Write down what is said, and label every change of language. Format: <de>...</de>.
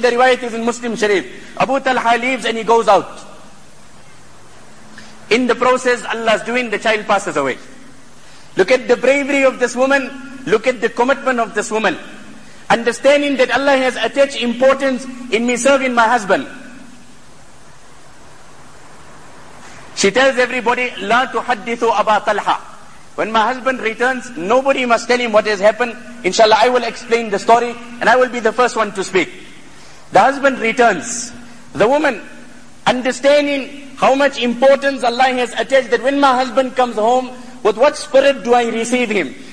<en>The riwayat is in Muslim Sharif. Abu Talha leaves and he goes out. In the process, Allah's doing, the child passes away. Look at the bravery of this woman. Look at the commitment of this woman. Understanding that Allah has attached importance in me serving my husband. She tells everybody,</en> <ar>لا تحدثوا أبا طلحة.</ar> <en>When my husband returns, nobody must tell him what has happened. Inshallah, I will explain the story and I will be the first one to speak. The husband returns. The woman, understanding how much importance Allah has attached, that when my husband comes home, with what spirit do I receive him?</en>